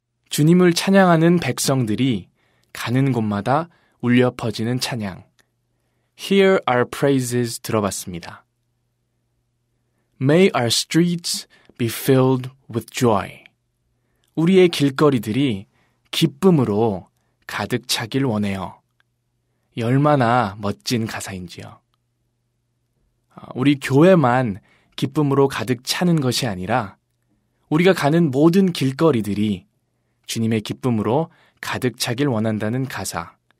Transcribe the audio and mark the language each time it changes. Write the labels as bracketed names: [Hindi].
[Korean] 주님을 찬양하는 백성들이 가는 곳마다 울려 퍼지는 찬양 Here are praises 들어봤습니다. [English] May our streets be filled with joy. [Korean] 우리의 길거리들이 기쁨으로 가득 차길 원해요. 얼마나 멋진 가사인지요. 우리 교회만 기쁨으로 가득 차는 것이 아니라 우리가 가는 모든 길거리들이 주님의 기쁨으로 가득 차길 원한다는 가사.